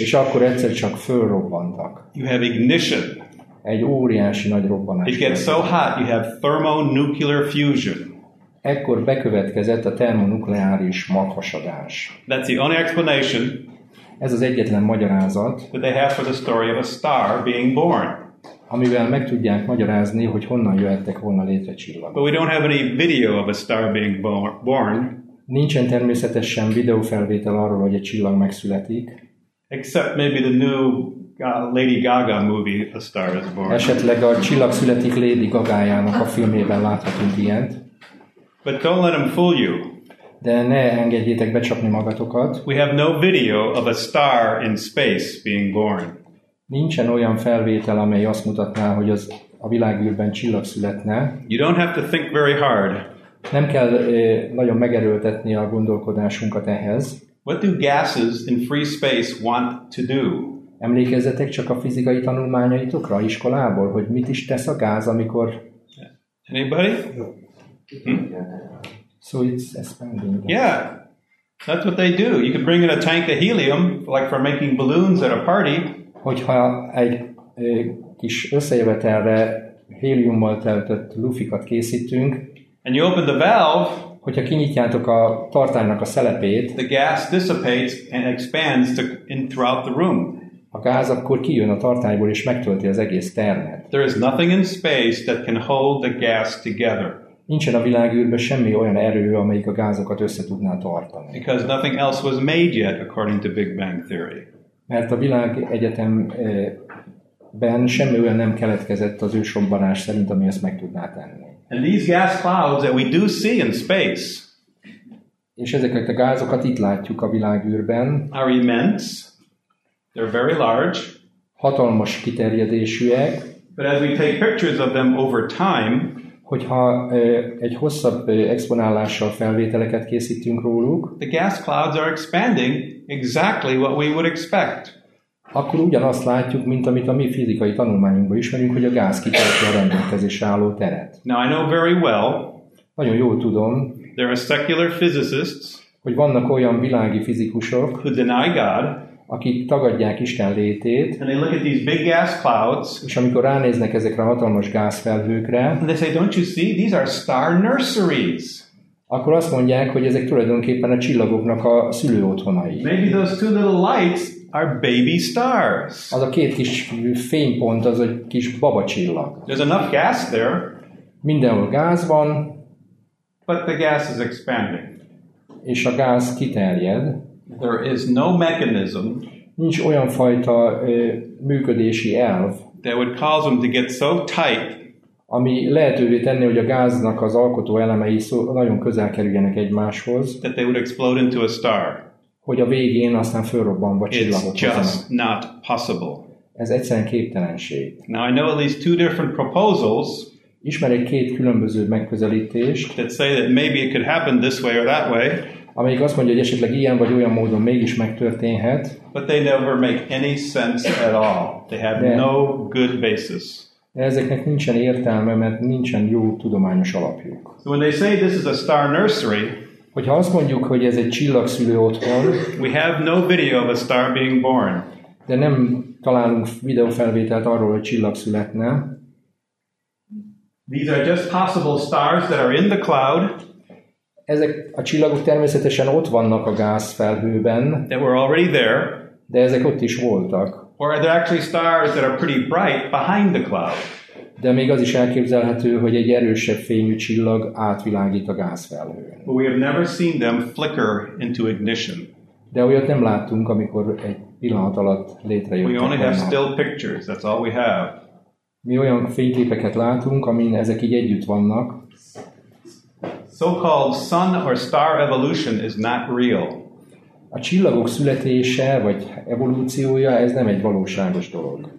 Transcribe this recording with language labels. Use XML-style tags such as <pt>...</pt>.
<hu>És akkor egyszer csak fölrobbantak.</hu> <en>You have ignition.</en> <hu>Egy óriási nagy robbanás.</hu> <en>It gets so hot, you have thermonuclear fusion.</en> <hu>Ekkor bekövetkezett a termonukleáris maghasadás.</hu> <en>That's the only explanation.</en> <hu>Ez az egyetlen magyarázat,</hu> <en>they have for the story of a star being born.</en> <hu>Amivel meg tudják magyarázni, hogy honnan jöhettek volna létre csillagok.</hu> <en>But we don't have any video of a star being born.</en> <hu>Nincsen természetesen videófelvétel arról, hogy egy csillag megszületik.</hu> <en>Except maybe the new Lady Gaga movie A Star is Born.</en> <hu>Esetleg a csillag születik Lady Gaga-jának a filmében láthatunk ilyet.</hu> <en>But don't let them fool you.</en> <hu>De ne engedjétek becsapni magatokat.</hu> <en>We have no video of a star in space being born.</en> <hu>Nincsen olyan felvétel, amely azt mutatná, hogy az a világűrben csillag születne.</hu> <en>You don't have to think very hard.</en> <hu>Nem kell nagyon megerőltetni a gondolkodásunkat ehhez.</hu> <en>What do gases in free space want to do?</en> <hu>Emlékezzetek csak a fizikai tanulmányaitokra iskolából, hogy mit is tesz a gáz, amikor...</hu> <en>Anybody? So it's expanding. Yeah, that's what they do. You can bring in a tank of helium, like for making balloons at a party.</en> <hu>Hogyha egy kis összejövetelre héliummal töltött lufikat készítünk.</hu> <en>And you open the valve.</en> <hu>Hogyha kinyitjátok a tartálynak a szelepét.</hu> <en>The gas dissipates and expands throughout the room.</en> <hu>A gáz akkor kijön a tartályból és megtölti az egész termet.</hu> <en>There is nothing in space that can hold the gas together.</en> <hu>Nincsen a világűrben semmi olyan erő, amelyik a gázokat össze tudná tartani.</hu> <en>Because nothing else was made yet, according to Big Bang theory.</en> <hu>Mert a világegyetemben semmi olyan nem keletkezett az ősrobbanás szerint, ami ezt meg tudná tenni.</hu> <en>And these gas clouds that we do see in space.</en> <hu>És ezeket a gázokat itt látjuk a világűrben.</hu> <en>Are immense. They're very large.</en> <hu>Hatalmas kiterjedésűek.</hu> <en>But as we take pictures of them over time.</en> <hu>Hogyha egy hosszabb exponálással felvételeket készítünk róluk,</hu> <en>the gas clouds are expanding exactly what we would expect.</en> <hu>Akkor ugyanazt látjuk, mint amit a mi fizikai tanulmányunkban ismerünk, hogy a gáz kitartja a rendelkezésre álló teret.</hu> <en>Now I know very well,</en> <hu>nagyon jól tudom,</hu> <en>there are secular physicists,</en> <hu>hogy vannak olyan világi fizikusok,</hu> <en>who deny God,</en> <hu>akik tagadják Isten létét,</hu> <en>and they look at these big gas clouds,</en> <hu>és amikor ránéznek ezekre a hatalmas gázfelhőkre,</hu> <en>and they say, don't you see, these are star nurseries.</en> <hu>Akkor azt mondják, hogy ezek tulajdonképpen a csillagoknak a szülőotthonai.</hu> <en>Maybe those two little lights are baby stars.</en> <hu>Az a két kis fénypont, az egy kis baba csillag.</hu> <en>There's enough gas there.</en> <hu>Mindenhol gáz van.</hu> <en>But the gas is expanding.</en> <hu>És a gáz kiterjed.</hu> <en>There is no mechanism.</en> <hu>Nincs olyan fajta működési elv.</hu> <en>That would cause them to get so tight.</en> <hu>Ami lehetővé tenni, hogy a gáznak az alkotó elemei nagyon közel kerüljenek egymáshoz.</hu> <en>That they would explode into a star.</en> <hu>Hogy a végén aztán fölrobbanva csillagot hozzanak.</hu> <en>It's just not possible.</en> <hu>Ez egyszerűen képtelenség.</hu> <en>Now I know at least two different proposals.</en> <hu>Ismerek két különböző megközelítést.</hu> <en>That say that maybe it could happen this way or that way.</en> <hu>amelyik azt mondja, hogy esetleg ilyen vagy olyan módon mégis megtörténhet.</hu> <en>But they never make any sense at all. They have no good basis.</en> <hu>De ezeknek nincsen értelme, mert nincsen jó tudományos alapjuk.</hu> <en>So when they say this is a star nursery,</en> <hu>hogyha azt mondjuk, hogy ez egy csillagszülő otthon,</hu> <en>we have no video of a star being born.</en> <hu>De nem találunk videófelvételt arról, hogy csillag születne.</hu> <en>These are just possible stars that are in the cloud.</en> <hu>Ezek a csillagok természetesen ott vannak a gázfelhőben.</hu> <en>They were already there.</en> <hu>De ezek ott is voltak.</hu> <en>Or are there actually stars that are pretty bright behind the cloud?</en> <hu>De még az is elképzelhető, hogy egy erősebb fényű csillag átvilágít a gázfelhőn.</hu> <en>But we have never seen them flicker into ignition.</en> <hu>De olyat nem láttunk, amikor egy pillanat alatt létrejött.</hu> <en>We only have still pictures, that's all we have.</en> <hu>Mi olyan fényképeket látunk, amin ezek így együtt vannak.</hu> <en>So-called sun or star evolution is not real.</en> <hu>A csillagok születése vagy evolúciója, ez nem egy valóságos dolog.</hu>